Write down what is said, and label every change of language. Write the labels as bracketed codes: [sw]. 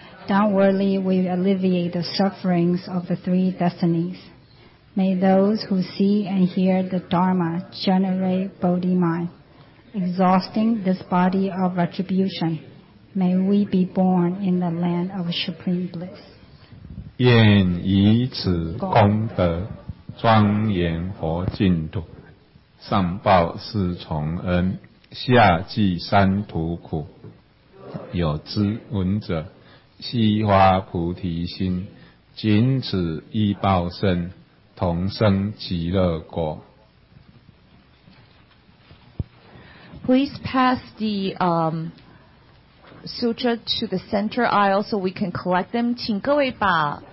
[en] downwardly we alleviate the sufferings of the three destinies. May those who see and hear the Dharma generate Bodhi mind, exhausting this body of retribution. May we be born in the land of supreme bliss. [zh] 愿以此功德庄严佛净土，上报四重恩，下济三途苦。有知闻者，悉发菩提心，仅此一报身，同生极乐国。 [en] Please pass the sutra to the center aisle so we can collect them. [zh] 请各位把